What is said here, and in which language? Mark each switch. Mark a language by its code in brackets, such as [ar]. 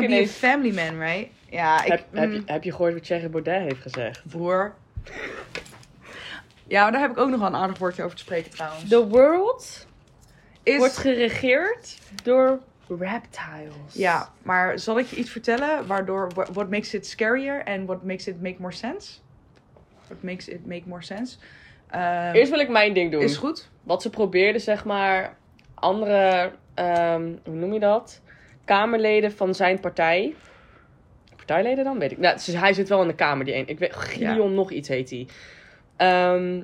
[en] wanna be a family man, right? Ja, [nl] Heb je gehoord wat Thierry Baudet heeft gezegd? Broer. Ja, maar daar heb ik ook nog wel een aardig woordje over te spreken trouwens. [en] The world is... [nl] wordt geregeerd door reptiles. Ja, maar zal ik je iets vertellen waardoor... [en] What makes it scarier and what makes it make more sense? What makes it make more sense? [nl] Eerst wil ik mijn ding doen. Is goed. Wat ze probeerden, zeg maar, andere, hoe noem je dat? Kamerleden van zijn partij. Partijleden dan? Weet ik. Nou, hij zit wel in de Kamer, die een. Ik weet, Gideon nog iets heet hij.